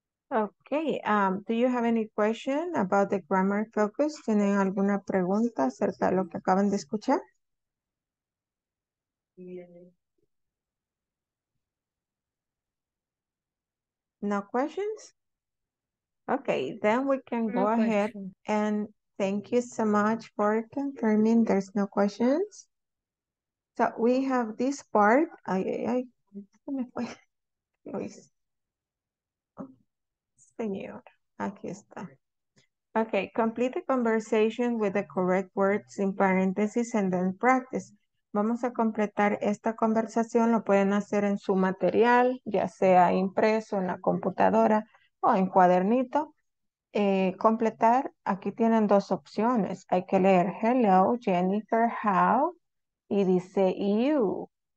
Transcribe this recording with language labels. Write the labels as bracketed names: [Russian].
[English] Okay, do you have any question about the grammar focus? [Spanish] ¿Tienen alguna pregunta acerca de lo que acaban de escuchar? [English] No questions? Okay, then we can go ahead and thank you so much for confirming there's no questions. So we have this part. [Spanish] Señor, aquí está. [English] Okay, complete the conversation with the correct words in parentheses and then practice. [Spanish] Vamos a completar esta conversación, lo pueden hacer en su material, ya sea impreso en la computadora o en cuadernito. Completar, aquí tienen dos opciones. Hay que leer hello, Jennifer, how, y dice you.